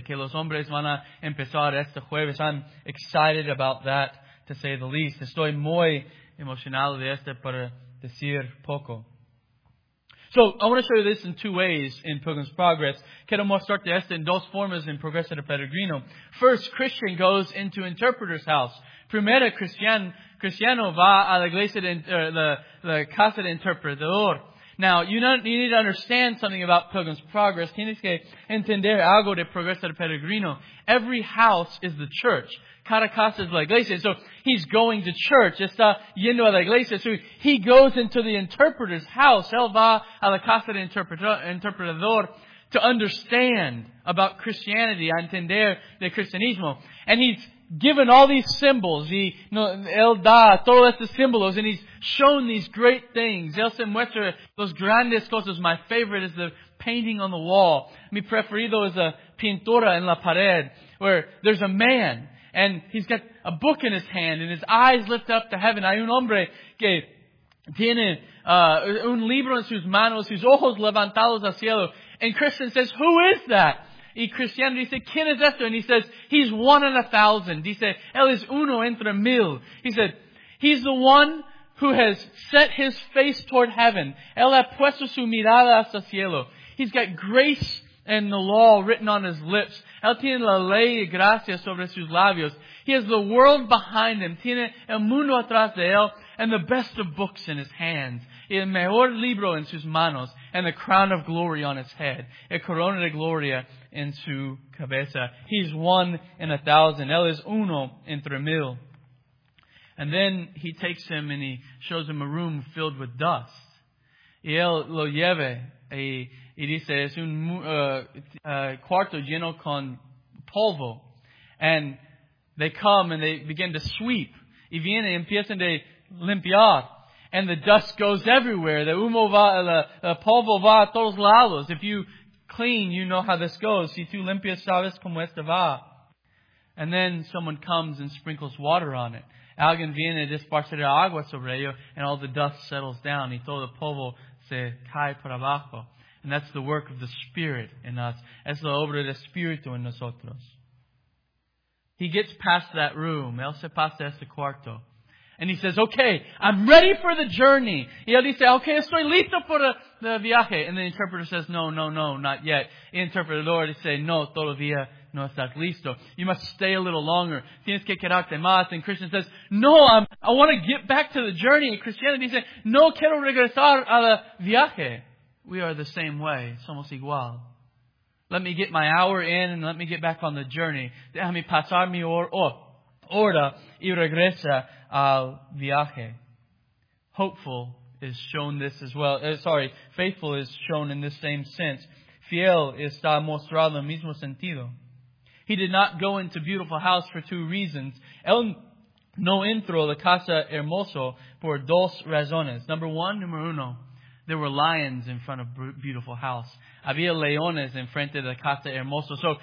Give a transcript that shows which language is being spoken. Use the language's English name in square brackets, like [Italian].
[Spanish] Que los hombres van a empezar este jueves. [English] I'm excited about that, to say the least. [Spanish] Estoy muy emocionado de este, para decir poco. [English] So, I want to show you this in two ways in Pilgrim's Progress. [Spanish] Quiero mostrarte esto en dos formas en Progreso de Peregrino. [English] First, Christian goes into interpreter's house. [Spanish] Primero, Cristiano va a la iglesia de la casa de interpretador. [English] Now, you need to understand something about Pilgrim's Progress. [Spanish] Tienes que entender algo de Progreso de Peregrino. [English] Every house is the church. [Spanish] Cada casa es la iglesia. [English] So, he's going to church. [Spanish] Está yendo a la iglesia. [English] So, he goes into the interpreter's house. [Spanish] Él va a la casa de interpretador [English] to understand about Christianity, [Spanish] a entender de cristianismo. [English] And he's given all these symbols. [Spanish] Él da todos estos símbolos. [English] And he's shown these great things. [Spanish] Él se muestra los grandes cosas. [English] My favorite is the painting on the wall. [Spanish] Mi preferido es la pintura en la pared, [English] where there's a man. And he's got a book in his hand, and his eyes lift up to heaven. [Spanish] Hay un hombre que tiene un libro en sus manos, sus ojos levantados al cielo. [English] And Christian says, who is that? [Spanish] Y Cristiano dice, ¿quién es esto? [English] And he says, he's one in a thousand. [Spanish] Dice, él es uno entre mil. [English] He said, he's the one who has set his face toward heaven. [Spanish] Él ha puesto su mirada hasta el cielo. [English] He's got grace and the law written on his lips. [Spanish] Él tiene la ley y gracia sobre sus labios. [English] He has the world behind him. [Spanish] Tiene el mundo atrás de él. [English] And the best of books in his hands. [Spanish] Y el mejor libro en sus manos. [English] And the crown of glory on his head. [Spanish] El corona de gloria en su cabeza. [English] He's one in a thousand. [Spanish] Él es uno entre mil. [English] And then he takes him and he shows him a room filled with dust. [Spanish] Y él lo lleva a... Y dice, es un cuarto lleno con polvo. [English] And they come and they begin to sweep. [Spanish] Y viene y empiezan de limpiar. [English] And the dust goes everywhere. [Spanish] The humo va, el polvo va a todos lados. [English] If you clean, you know how this goes. [Spanish] Si tú limpias, sabes cómo esto va. [English] And then someone comes and sprinkles water on it. [Spanish] Alguien viene y disparce de agua sobre ello. [English] And all the dust settles down. [Spanish] Y todo el polvo se cae por abajo. [English] And that's the work of the Spirit in us. [Spanish] Es la obra del Espíritu en nosotros. [English] He gets past that room. [Spanish] Él se pasa ese cuarto. [English] And he says, okay, I'm ready for the journey. [Spanish] Y él dice, okay, estoy listo por el viaje. [English] And the interpreter says, no, not yet. [Spanish] The interpretador dice, no, todavía no estás listo. [English] You must stay a little longer. [Spanish] Tienes que quedarte más. [English] And Christian says, no, I want to get back to the journey. And Christianity says, no, [Spanish] quiero regresar al viaje. [English] We are the same way. [Spanish] Somos igual. [English] Let me get my hour in and let me get back on the journey. [Spanish] Déjame pasar mi hora y regresa al viaje. [English] Hopeful is shown this as well. Faithful is shown in this same sense. [Spanish] Fiel está mostrado en el mismo sentido. [English] He did not go into beautiful house for two reasons. [Spanish] Él no entró la casa hermoso por dos razones. [English] Number one, [Spanish] número uno. [English] There were lions in front of beautiful house. [Spanish] Había leones en frente de la casa hermoso.